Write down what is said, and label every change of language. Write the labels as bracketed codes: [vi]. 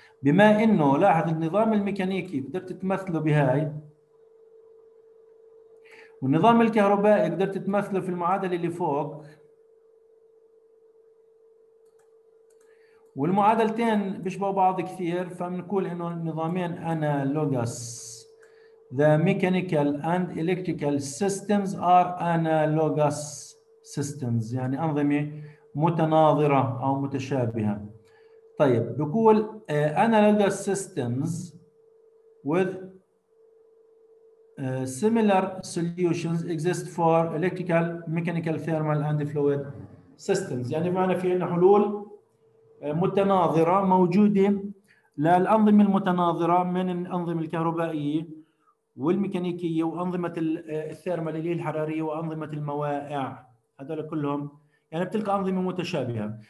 [ar] بما انه لاحظ النظام الميكانيكي قدرت تمثله بهاي والنظام الكهربائي قدرت تمثله في المعادله اللي فوق والمعادلتين بيشبهوا بعض كثير فبنقول انه النظامين analogous. [en] The mechanical and electrical systems are analogous systems [ar] يعني أنظمة متناظرة أو متشابهة. طيب بقول [en] analogous systems with similar solutions exist for electrical, mechanical, thermal and fluid systems [ar] يعني معنى في أن حلول متناظرة موجودة للأنظمة المتناظرة من الأنظمة الكهربائية والميكانيكية وأنظمة الثيرمال اللي هي الحرارية وأنظمة الموائع هذول كلهم يعني بتلقى أنظمة متشابهة.